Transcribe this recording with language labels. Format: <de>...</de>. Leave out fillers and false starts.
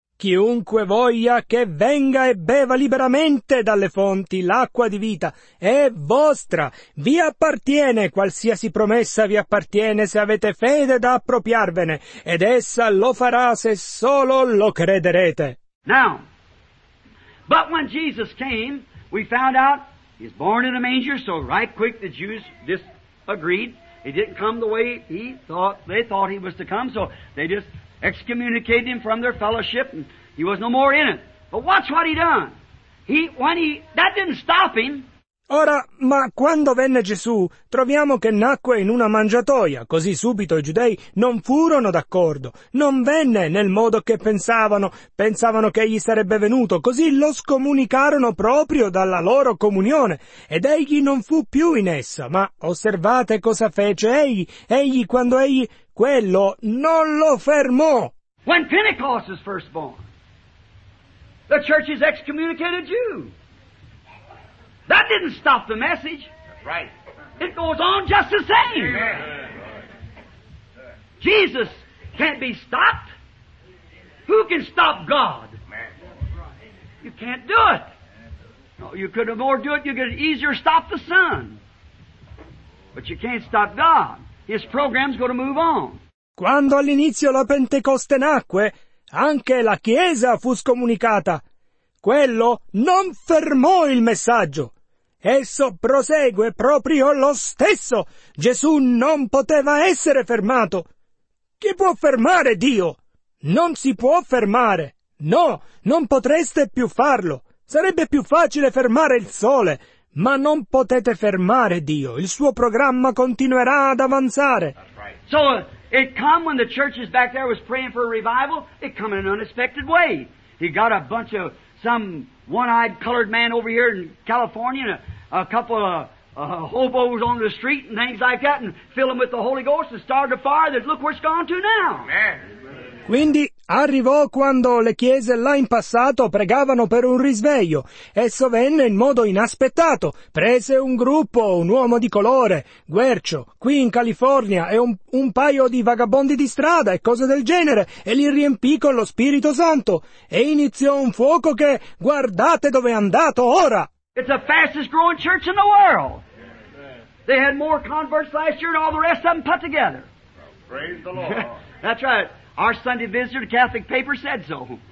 <it>Chiunque voglia che venga e beva liberamente dalle fonti l'acqua di vita è vostra. Vi appartiene, qualsiasi promessa vi appartiene se avete fede da appropriarvene. Ed essa lo farà se solo lo crederete.</it> <en>Now, but when Jesus came, we found out he's born in a manger, so right quick the Jews disagreed. He didn't come the way he thought, they thought he was to come, so they just excommunicated him from their fellowship, and he was no more in it. But watch what he done. That didn't stop him.</en> <it>Ora, ma quando venne Gesù, troviamo che nacque in una mangiatoia, così subito i giudei non furono d'accordo. Non venne nel modo che pensavano che egli sarebbe venuto, così lo scomunicarono proprio dalla loro comunione, ed egli non fu più in essa. Ma osservate cosa fece egli quando egli quello non lo fermò.</it> <en>When Pentecost is first born, the church is excommunicated Jew. That didn't stop the message. Right. It goes on just the same. Amen. Jesus can't be stopped. Who can stop God? Amen. You can't do it. No, you could have more do it, you could have easier stop the sun. But you can't stop God. His program's going to move on.</en> <it>Quando all'inizio la Pentecoste nacque, anche la Chiesa fu scomunicata. Quello non fermò il messaggio. Esso prosegue proprio lo stesso. Gesù non poteva essere fermato. Chi può fermare Dio? Non si può fermare! No, non potreste più farlo! Sarebbe più facile fermare il sole! Ma non potete fermare Dio! Il suo programma continuerà ad avanzare!</it> <en>So, it come when the churches back there was praying for a revival, it come in an unexpected way. He got a bunch of some one-eyed colored man over here in California and a couple of hobos on the street and things like that and fill them with the Holy Ghost and started a fire that look where it's gone to now. Amen.</en> <it>Quindi arrivò quando le chiese là in passato pregavano per un risveglio. Esso venne in modo inaspettato. Prese un gruppo, un uomo di colore, guercio, qui in California, e un paio di vagabondi di strada e cose del genere, e li riempì con lo Spirito Santo. E iniziò un fuoco che, guardate dove è andato ora!</it> <en>It's the fastest growing church in the world. They had more converts last year than all the rest of them put together. Praise the Lord. That's right. Our Sunday visitor, the Catholic paper, said so.</en>